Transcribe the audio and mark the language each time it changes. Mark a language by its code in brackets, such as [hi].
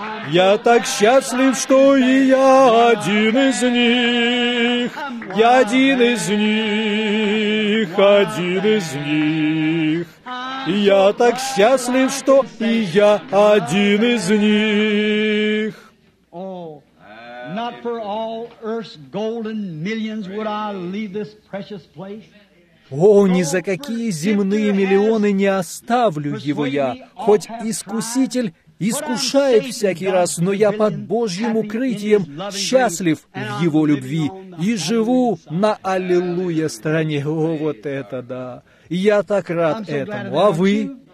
[ru] Я так счастлив, что и я один из них. Я один из них, один из них. Я так счастлив, что и я один из них. [en] Not for all Earth's golden millions would I leave this precious place. [ru] О, ни за какие земные миллионы не оставлю его я. Хоть искуситель искушает всякий раз, но я под Божьим укрытием счастлив в его любви и живу на аллилуйя стороне. О, вот это да! Я так рад этому. А вы?